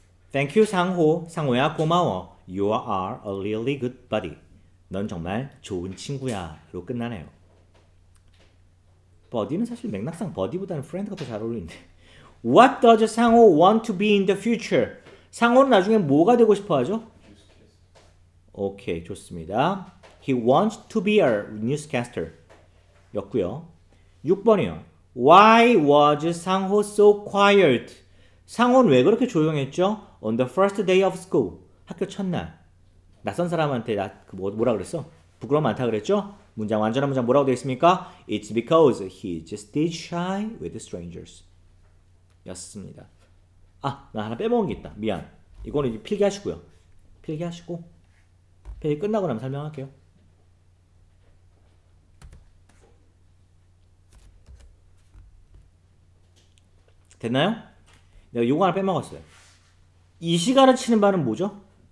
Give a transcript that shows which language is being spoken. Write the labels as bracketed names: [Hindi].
[Korean] 땡큐 상호. 상호야 고마워. [English] You are a really good buddy. [Korean] 넌 정말 좋은 친구야. 로 끝나네요. 버디는 사실 맥락상 버디보다는 프렌드가 더 잘 어울리는데. [English] What does 상호 want to be in the future? [Korean] 상호는 나중에 뭐가 되고 싶어 하죠? 오케이 좋습니다. [English] He wants to be a newscaster. [Korean] 였고요. 6번이요. [English] Why was 상호 so quiet? [Korean] 상호는 왜 그렇게 조용했죠? [English] On the first day of school, [Korean] 학교 첫날, 낯선 사람한테 뭐라 그랬어? 부끄러움 많다 그랬죠? 문장, 완전한 문장 뭐라고 되어 있습니까? [English] It's because he just did shy with strangers. [Korean] 였습니다. 아, 나 하나 빼먹은 게 있다. 미안. 이거는 이제 필기하시고요. 필기하시고. 필기 끝나고 나면 설명할게요. 됐나요? 내가 이거 하나 빼먹었어요. 이 시간을 치는 바는 뭐죠?